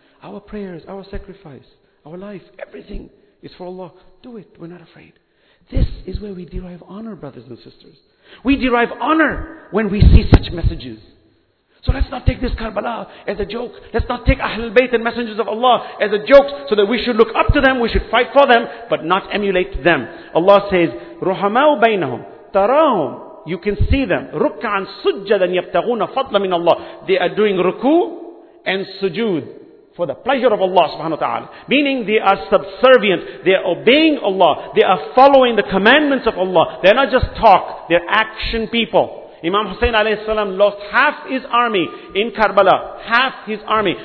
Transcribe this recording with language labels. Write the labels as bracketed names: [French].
[English] Our prayers, our sacrifice, our life, everything is for Allah. Do it. We're not afraid. This is where we derive honor, brothers and sisters. We derive honor when we see such messages. So let's not take this Karbala as a joke. Let's not take Ahlul Bayt and messengers of Allah as a joke so that we should look up to them, we should fight for them, but not emulate them. Allah says, [Arabic] رُحَمَاءُ بَيْنَهُمْ تَرَاهُمْ. [English] You can see them. [Arabic] رُكَّعًا سُجَّدًا يَبْتَغُونَ فَضْلًا مِنَ اللَّهِ. [English] They are doing ruku and sujood for the pleasure of Allah subhanahu wa ta'ala. Meaning they are subservient. They are obeying Allah. They are following the commandments of Allah. They are not just talk. They are action people. Imam Hussein alayhi salam lost half his army in Karbala. Half his army.